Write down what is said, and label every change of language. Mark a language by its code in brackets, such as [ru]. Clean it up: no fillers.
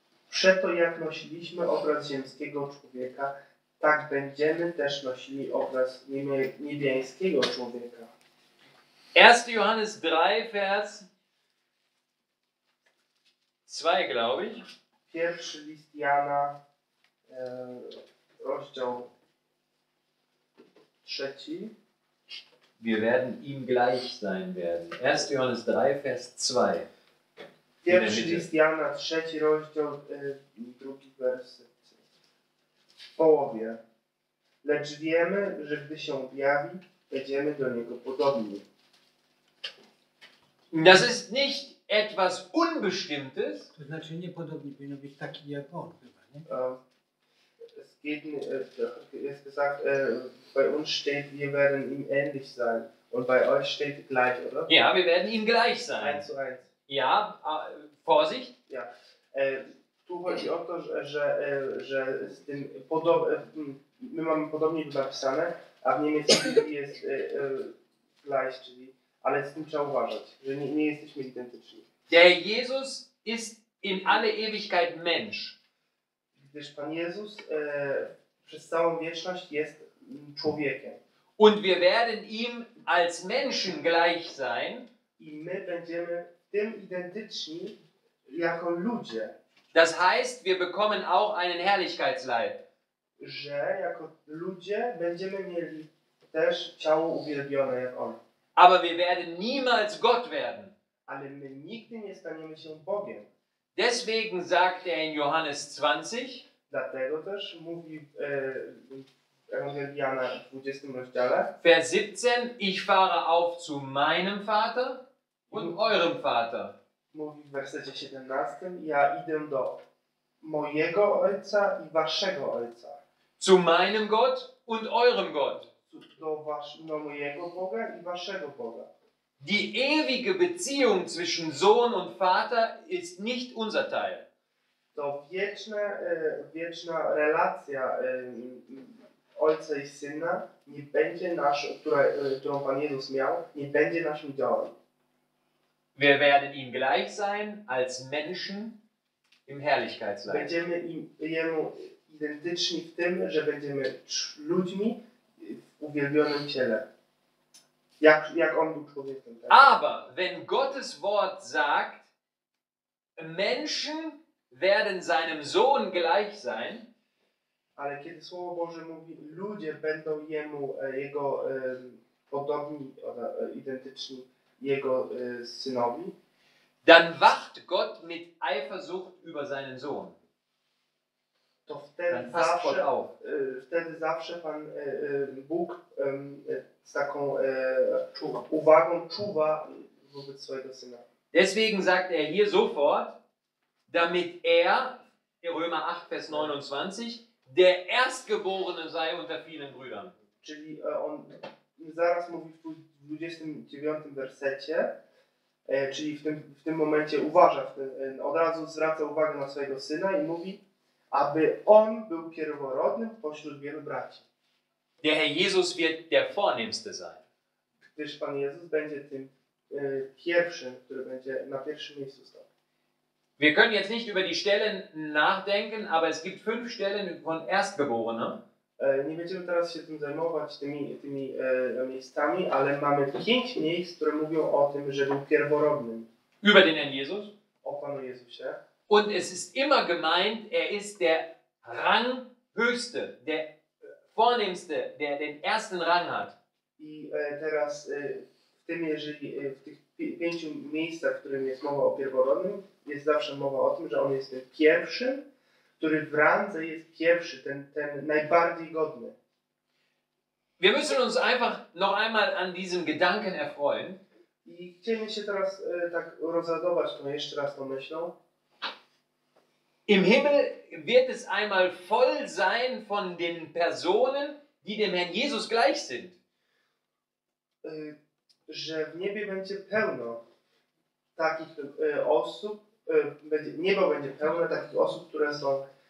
[pl] Przeto jak nosiliśmy obraz ziemskiego człowieka, tak będziemy też nosili obraz niebiańskiego człowieka. 1. [de] Johannes 3, Vers 2, glaube ich. [pl] 1. List Jana, rozdział 3. [de] Wir werden ihm gleich sein werden. 1. Johannes 3, Vers 2. [pl] 1. List Jana, 3. rozdział, 2. werset. W połowie. Lecz wiemy, że gdy się objawi, będziemy do niego podobni. [de] Das ist nicht etwas Unbestimmtes. [pl] To znaczy niepodobnie powinno być taki jak on, chyba, nie? [de] Es geht jest gesagt, bei uns steht, wir werden ihm ähnlich sein. Und bei euch steht gleich, oder? Ja, wir werden ihm gleich sein. 1:1. Ja, Vorsicht. Ja. [pl] Tu chodzi o to, że z tym my mamy podobnie napisane, a w niemieckim jest gleich, czyli. Ale z tym trzeba uważać, że nie jesteśmy identyczni. [de] Der Jesus ist in alle Ewigkeit Mensch. [pl] Gdyż Pan Jezus przez całą wieczność jest człowiekiem. [de] Und wir werden ihm als Menschen gleich sein. [pl] I my będziemy tym identyczni jako ludzie. [de] Das heißt, wir bekommen auch einen Herrlichkeitsleib. [pl] Że jako ludzie będziemy mieli też ciało uwielbione jak on. [de] Aber wir werden niemals Gott werden. [pl] Ale my nigdy nie staniemy się Bogiem. [de] Deswegen sagt in Johannes 20, [pl] dlatego też mówi Ewangelia Jana w 20 rozdziale, [de] Vers 17, ich fahre auf zu meinem Vater, und eurem Vater. [pl] Mówi w wersecie 17, ja idę do mojego ojca i waszego ojca. [de] Zu meinem Gott und eurem Gott. [pl] Do mojego Boga i waszego Boga. [de] Die ewige Beziehung zwischen Sohn und Vater ist nicht unser Teil. [pl] To wieczne, wieczna relacja ojca i syna nie będzie nasz, którą Pan Jezus miał, nie będzie naszym działem. [de] Wir werden ihm gleich sein als Menschen im Herrlichkeitsleib. [pl] Będziemy jemu identyczni w tym, że będziemy ludźmi w uwielbionym ciele. Jak on był człowiekiem. Tak? [de] Aber wenn Gottes Wort sagt, Menschen werden seinem Sohn gleich sein. [pl] Ale kiedy Słowo Boże mówi, ludzie będą jemu jego podobni, identyczni jego synowi. [de] Dann wacht Gott mit Eifersucht über seinen Sohn. [pl] To wtedy zawsze, Pan Bóg z taką uwagą czuwa wobec swojego syna. [de] Deswegen sagt er hier sofort, damit er, Römer 8, Vers 29, der Erstgeborene sei unter vielen Brüdern. [pl] Czyli on zaraz mówi w 29 wersecie, czyli w tym momencie uważa, od razu zwraca uwagę na swojego syna i mówi, aby on był pierworodnym pośród wielu braci. [de] Der Herr Jesus wird der vornehmste sein. [pl] Gdyż Pan Jezus będzie tym pierwszym, który będzie na pierwszym miejscu stał. [de] Wir können jetzt nicht über die Stellen nachdenken, aber es gibt 5 Stellen von Erstgeborenen. [pl] Nie będziemy teraz się tym zajmować, tymi miejscami, ale mamy 5 miejsc, które mówią o tym, że był pierworodnym. [de] Über den Herrn Jesus. [pl] O Panu Jezusie. [de] Und es ist immer gemeint, ist der Rang höchste, der vornehmste, der den ersten Rang hat. [pl] I teraz w tych 5 miejscach, w którym jest mowa o pierworodnym, jest zawsze mowa o tym, że on jest tym pierwszym, który w randze jest pierwszy, ten najbardziej godny. [de] Wir müssen uns einfach noch einmal an diesem Gedanken erfreuen. [pl] I chcemy się teraz tak rozradować tą jeszcze raz tą myślą. [de] Im Himmel wird es einmal voll sein von den Personen, die dem Herrn Jesus gleich sind. [pl] Że w niebie będzie pełno takich osób, niebo będzie pełne takich osób, które są